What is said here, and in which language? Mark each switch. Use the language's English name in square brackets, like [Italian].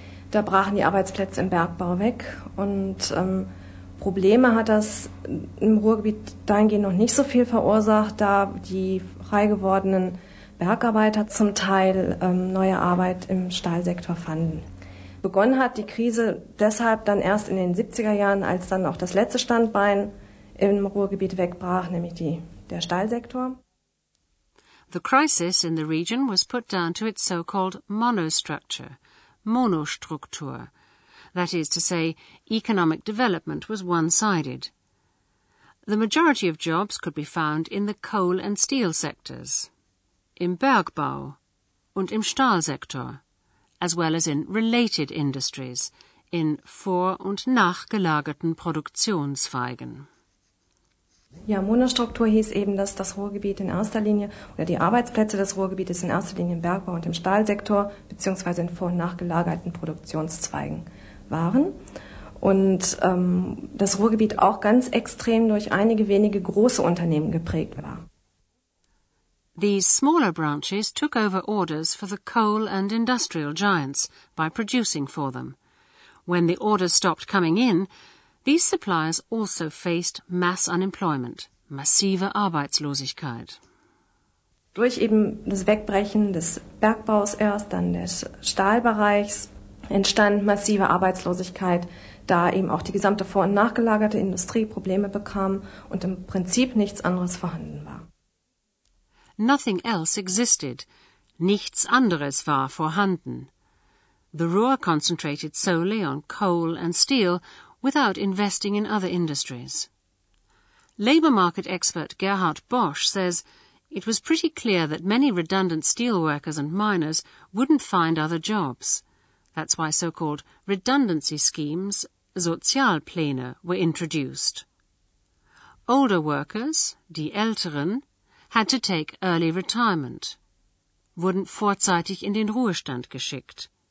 [German] Da brachen die Arbeitsplätze im Bergbau weg. Und Probleme hat das im Ruhrgebiet dahingehend noch nicht so viel verursacht, da die frei gewordenen Bergarbeiter zum Teil neue Arbeit im Stahlsektor fanden. Begonnen hat die Krise deshalb dann erst in den 70er Jahren, als dann auch das letzte Standbein im Ruhrgebiet wegbrach, nämlich der Stahlsektor. [English] The crisis in the region was put down to its so-called monostructure, Monostruktur. That is to say, economic development was one-sided. The majority of jobs could be found in the coal and steel sectors, [German] im Bergbau und im Stahlsektor, [English] as well as in related industries, [German] in vor- und nachgelagerten Produktionszweigen. Ja, Monostruktur hieß eben, dass das Ruhrgebiet in erster Linie, oder die Arbeitsplätze des Ruhrgebietes in erster Linie im Bergbau und im Stahlsektor, beziehungsweise in vor- und nachgelagerten Produktionszweigen waren. Und das Ruhrgebiet auch ganz extrem durch einige wenige große Unternehmen geprägt war. [English] These smaller branches took over orders for the coal and industrial giants by producing for them. When the orders stopped coming in, these suppliers also faced mass unemployment, [German] massive Arbeitslosigkeit. Durch eben das Wegbrechen des Bergbaus erst, dann des Stahlbereichs, entstand massive Arbeitslosigkeit, da eben auch die gesamte vor- und nachgelagerte Industrie Probleme bekam und im Prinzip nichts anderes vorhanden war. [English] Nothing else existed. [German] Nichts anderes war vorhanden. [English] The Ruhr concentrated solely on coal and steel without investing in other industries. Labor market expert Gerhard Bosch says it was pretty clear that many redundant steel workers and miners wouldn't find other jobs. That's why so-called redundancy schemes, Sozialpläne, were introduced. Older workers, [German] die Älteren, [English] had to take early retirement, [German] wurden vorzeitig in den Ruhestand geschickt.